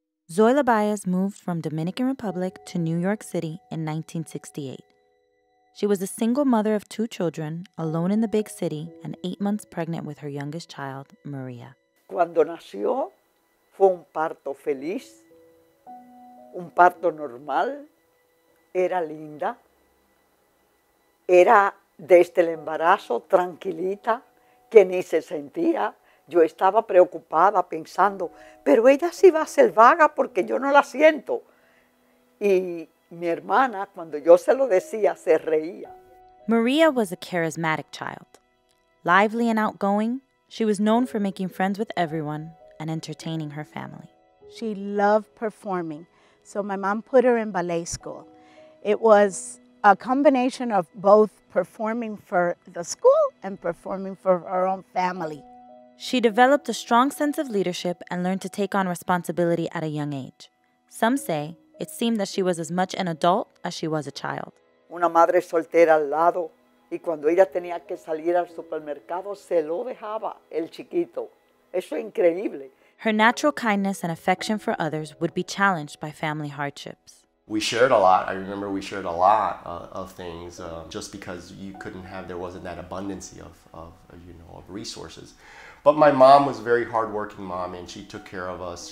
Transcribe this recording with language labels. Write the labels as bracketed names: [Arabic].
[English] Zoila Baez moved from Dominican Republic to New York City in 1968. She was a single mother of two children, alone in the big city, and 8 months pregnant with her youngest child, Maria. [Spanish] Cuando nació, fue un parto feliz, un parto normal. Era linda. Era desde el embarazo, tranquilita, que ni se sentía. Yo estaba preocupada, pensando, pero ella sí va a ser vaga porque yo no la siento. Y mi hermana, cuando yo se lo decía, se reía. [English] María was a charismatic child. Lively and outgoing, she was known for making friends with everyone and entertaining her family. She loved performing, so my mom put her in ballet school. It was a combination of both performing for the school and performing for her own family. She developed a strong sense of leadership and learned to take on responsibility at a young age. Some say it seemed that she was as much an adult as she was a child. [Spanish] Una madre soltera al lado, y cuando ella tenía que salir al supermercado, se lo dejaba el chiquito. Eso es increíble. [English] Her natural kindness and affection for others would be challenged by family hardships. We shared a lot. I remember we shared a lot of things just because you couldn't have, there wasn't that abundance of resources. But my mom was a very hardworking mom, and she took care of us.